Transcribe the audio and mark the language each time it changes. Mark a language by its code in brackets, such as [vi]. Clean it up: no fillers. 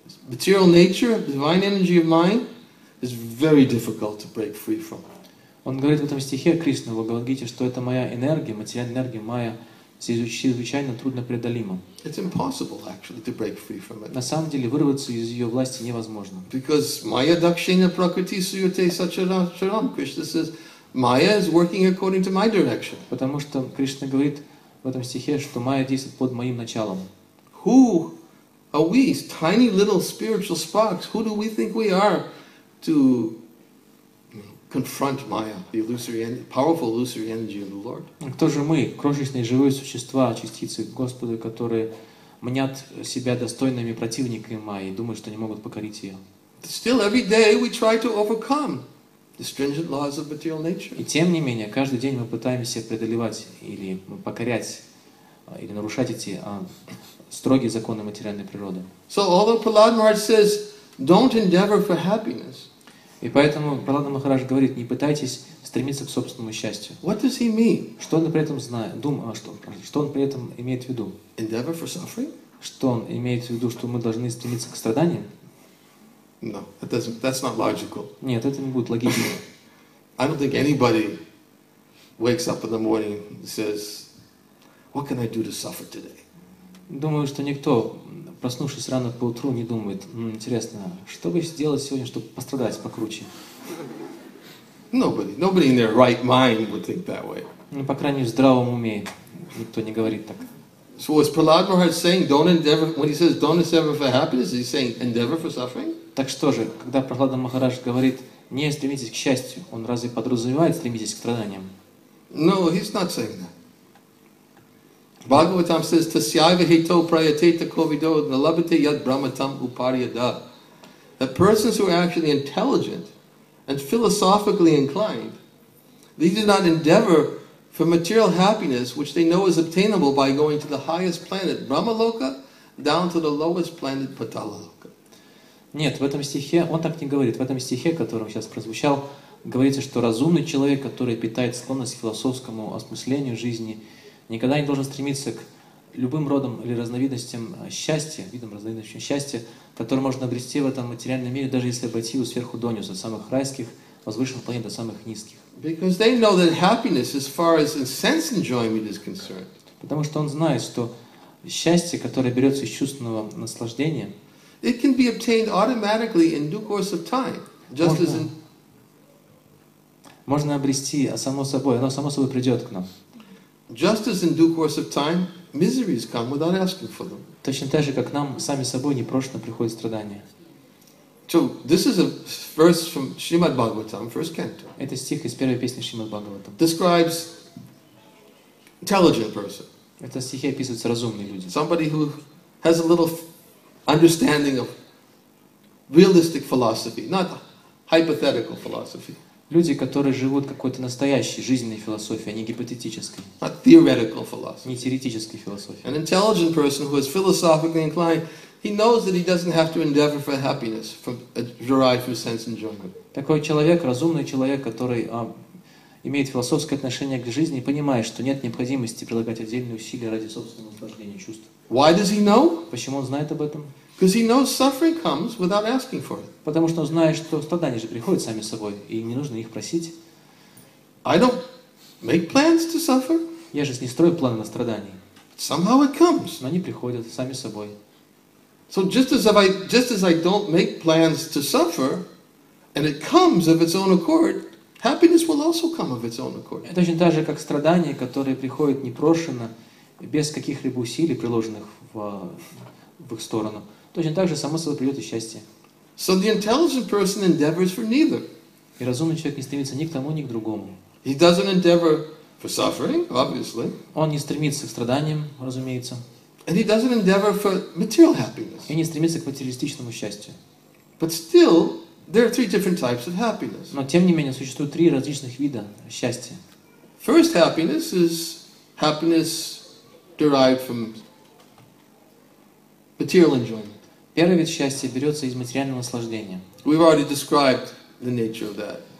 [en] Material nature, divine energy of mind, is very difficult to break free from. [ru] Он говорит в этом стихе Кришна в Бхагавад-гите, что это моя энергия, материальная энергия, моя чрезвычайно труднопреодолима. [en] It's impossible, actually, to break free from it. [ru] На самом деле, вырваться из ее власти невозможно. [en] Because [sa] Maya Dakshina Prakriti Suyate Sacharam, [en] Krishna says, Maya is working according to my direction. [ru] Потому что Кришна говорит в этом стихе, что Майя действует под моим началом. [en] Who are we, tiny little spiritual sparks? Who do we think we are to confront Maya, the illusory, powerful illusory energy of the Lord? [ru] Кто же мы, крошечные живые существа, частицы Господа, которые мнят себя достойными противниками Майи, думают, что не могут покорить ее? [en] Still, every day we try to overcome the stringent laws of material nature. [ru] И тем не менее, каждый день мы пытаемся преодолевать или покорять или нарушать эти строгие законы материальной природы. [en] So, although Prahlad Maharaj says, "Don't endeavor for happiness." [ru] И поэтому Прахлада Махарадж говорит, не пытайтесь стремиться к собственному счастью. [en] What does he mean? [ru] Что он при этом знает, что он при этом имеет в виду? [en] Endeavor for suffering? [ru] Что он имеет в виду, что мы должны стремиться к страданиям? [en] No, that's not logical. [ru] Нет, это не будет логично. [en] I don't think anybody wakes up in the morning and says, "What can I do to suffer today?" [ru] Думаю, что никто, проснувшись рано поутру, не думает, интересно, что бы сделать сегодня, чтобы пострадать покруче? [en] Nobody in their right mind would think that way. [ru] Ну, по крайней мере, в здравом уме никто не говорит так. [en] So is Prahlad Maharaj saying, don't endeavor, when he says, don't endeavor for happiness, is he saying, endeavor for suffering? [ru] Так что же, когда Прахлада Махарадж говорит, не стремитесь к счастью, он разве подразумевает, стремитесь к страданиям? [en] No, he's not saying that. Bhagavatam says, [sa] Tasyaga hito prayateta kovido nalabhate yad brahmatam upariyada. [en] That persons who are actually intelligent and philosophically inclined, they do not endeavor for material happiness which they know is obtainable by going to the highest planet, Brahmaloka, down to the lowest planet, Patalaloka. [ru] Нет, в этом стихе, он так не говорит, в этом стихе, который сейчас прозвучал, говорится, что разумный человек, который питает склонность к философскому осмыслению жизни, никогда не должен стремиться к любым родам или разновидностям счастья, видам разновидностям счастья, которые можно обрести в этом материальном мире, даже если обойти его сверху донизу, от самых райских, возвышенных планет до самых низких. [en] Because they know that happiness, as far as sense enjoyment is concerned. [ru] Потому что он знает, что счастье, которое берется из чувственного наслаждения, [en] it can be obtained automatically in due course of time, just as in... [ru] Можно обрести, а само собой, оно само собой придет к нам. [en] Just as in due course of time, miseries come without asking for them. [ru] Точно так же, как нам сами собой непрошено приходят страдания. [en] So this is a verse from Srimad Bhagavatam, first canto. [ru] Это стих из первой песни Шримад Бхагаватам. [en] Describes intelligent person. [ru] Это стихи описываются разумные люди. [en] Somebody who has a little understanding of realistic philosophy, not hypothetical philosophy. [ru] Люди, которые живут какой-то настоящей жизненной философией, а не гипотетической. [en] Not theoretical philosophy. [ru] Не теоретической философией. [en] An intelligent person who is philosophically inclined, he knows that he doesn't have to endeavor for happiness derived from sense enjoyment. [ru] Такой человек, разумный человек, который имеет философское отношение к жизни, понимает, что нет необходимости прилагать отдельные усилия ради собственного наслаждения чувств. [en] Why does he know? [ru] Почему он знает об этом? [en] Because he knows suffering comes without asking for it. [ru] Потому что он знает, что страдания же приходят сами собой, и не нужно их просить. [en] I don't make plans to suffer. [ru] Я же не строю планы на страдания. [en] Somehow it comes. [ru] Но они приходят сами собой. [en] So just as I don't make plans to suffer, and it comes of its own accord, happiness will also come of its own accord. [ru] Это точно так же, как страдания, которые приходят непрошено, без каких-либо усилий, приложенных в их сторону. Точно так же само собой придет и счастье. [en] So the intelligent person endeavors for neither. [ru] И разумный человек не стремится ни к тому, ни к другому. [en] He doesn't endeavor for suffering, obviously. [ru] Он не стремится к страданиям, разумеется. [en] And he doesn't endeavor for material happiness. [ru] И не стремится к материалистичному счастью. [en] But still, there are three different types of happiness. [ru] Но тем не менее существует три различных вида счастья. [en] First happiness is happiness derived from material enjoyment. [ru] Первый вид счастья берется из материального наслаждения. [en] We've already described the nature of that.